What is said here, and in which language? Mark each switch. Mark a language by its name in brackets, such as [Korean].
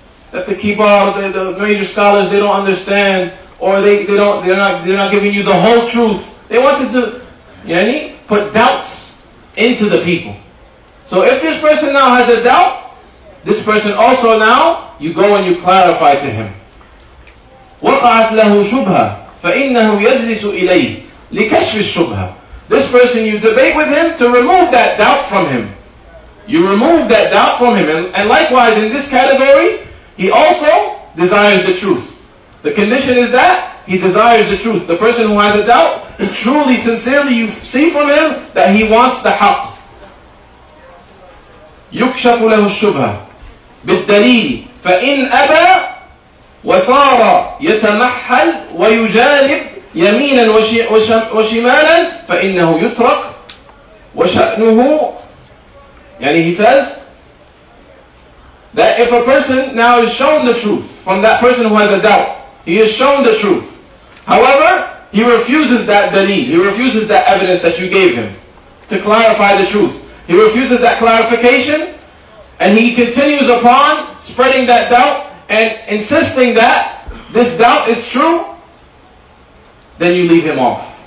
[English] That the kibar, the major scholars, they don't understand, or they're not giving you the whole truth. They want to put doubts into the people. So if this person now has a doubt, this person also now, you go and you clarify to him. [Arabic] وقعت له شبهة فإنه يجلس إليه لكشف الشبهة. [English] This person you debate with him to remove that doubt from him. You remove that doubt from him. And likewise in this category, he also desires the truth. The condition is that he desires the truth. The person who has a doubt, truly, sincerely, you see from him that he wants the حق. [Arabic] يكشف له الشبهة بالدليل فإن أبى وصار يتمحل ويجالب يمينا وشمالا فإنه يترك وشأنه. [English] He says that if a person now is shown the truth from that person who has a doubt, he is shown the truth. However, he refuses that dalil, he refuses that evidence that you gave him to clarify the truth. He refuses that clarification and he continues upon spreading that doubt and insisting that this doubt is true, then you leave him off.